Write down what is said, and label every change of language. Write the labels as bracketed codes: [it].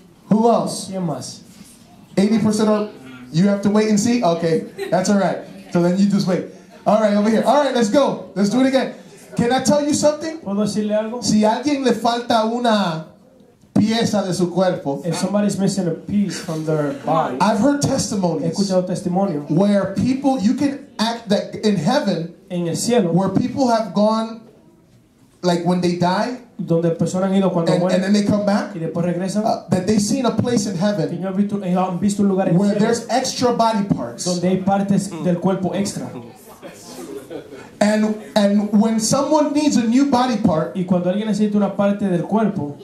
[en] Who else? [es] ¿Quién más? [en] 80% of, you have to wait and see? Okay, that's all right. So then you just wait. All right, over here. All right, let's go. Let's do it again. Can I tell you something? [es] ¿Puedo decirle algo? Si alguien le falta una pieza de su cuerpo. [en] If somebody's missing a piece from their body. I've heard testimonies. [es] He escuchado testimonio. [en] Where people, you can act that in heaven. [es] En el cielo. [en] Where people have gone, like when they die. [es] Donde personas han ido cuando [en] mueren. And then they come back. [es] Y después regresan. [en] That they've seen a place in heaven. [es] Que han visto un lugar en [en] where [es] cielo, [en] there's extra body parts. [es] Donde hay partes del cuerpo extra. [en] And when someone needs a new body part, [es] y cuando alguien necesita una parte del cuerpo,